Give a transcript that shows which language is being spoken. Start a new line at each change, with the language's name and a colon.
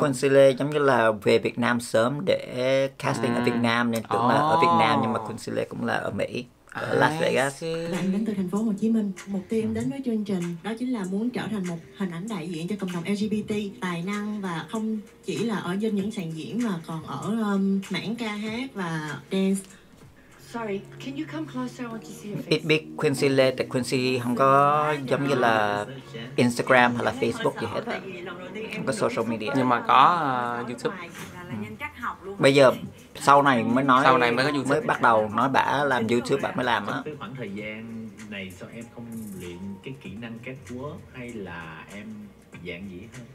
Vietnamese: Quincy Lê giống như là về Việt Nam sớm để casting ở Việt Nam, nên tưởng là ở Việt Nam, nhưng mà Quincy Lê cũng là ở Mỹ. Ở Las Vegas. Anh đến từ thành phố Hồ Chí Minh, mục tiêu đến với chương trình đó chính là muốn trở thành một hình ảnh đại diện cho cộng đồng LGBT tài năng, và không chỉ là ở trên những sàn diễn mà còn ở mảng ca hát và dance.
English: Sorry, can you come closer? I want to see your face.
Vietnamese: Biết biết Quincy Lê, tại Quincy không có giống như là Instagram hay là Facebook gì hết, không có social media. Nhưng mà có YouTube. Bây giờ sau này mới nói, sau này mới có YouTube, mới bắt đầu nói bả làm YouTube, bả mới làm á. Trong cái khoảng thời gian này sao em không luyện cái kỹ năng catwalk, hay là em dạng gì hơn?